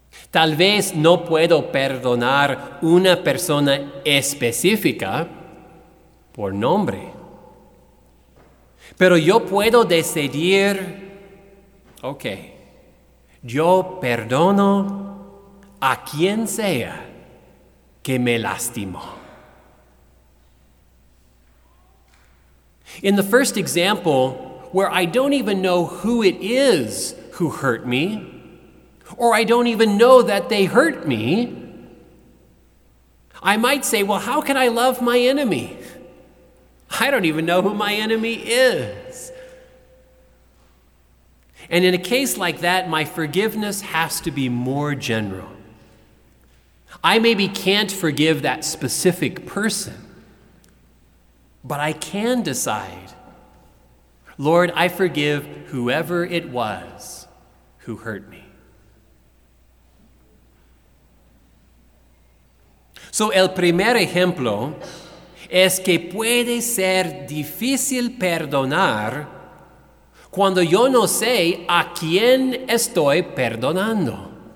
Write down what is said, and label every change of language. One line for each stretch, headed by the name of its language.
Spanish: Tal vez no puedo perdonar una persona específica por nombre, pero yo puedo decidir, ok, yo perdono a quien sea que me lastimó.
English: In the first example, where I don't even know who it is who hurt me, or I don't even know that they hurt me, I might say, well, how can I love my enemy? I don't even know who my enemy is. And in a case like that, my forgiveness has to be more general. I maybe can't forgive that specific person, but I can decide, Lord, I forgive whoever it was who hurt me.
Spanish: So el primer ejemplo es que puede ser difícil perdonar cuando yo no sé a quién estoy perdonando.